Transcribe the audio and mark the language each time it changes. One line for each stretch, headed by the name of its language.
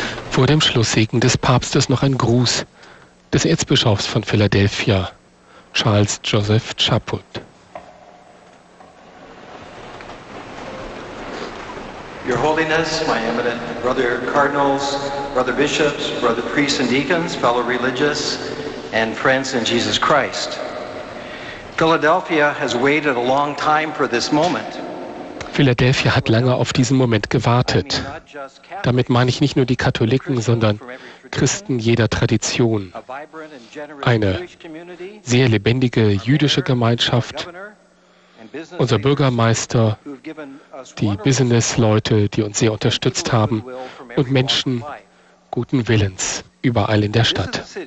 German: Vor dem Schlusssegen des Papstes noch ein Gruß des Erzbischofs von Philadelphia, Charles Joseph Chaput.
English: Your Holiness, my eminent brother cardinals, brother bishops, brother priests and deacons, fellow religious, and friends in Jesus Christ. Philadelphia has waited a long time for this moment.
German: Philadelphia hat lange auf diesen Moment gewartet. Damit meine ich nicht nur die Katholiken, sondern Christen jeder Tradition. Eine sehr lebendige jüdische Gemeinschaft, unser Bürgermeister, die Businessleute, die uns sehr unterstützt haben und Menschen guten Willens überall in der Stadt.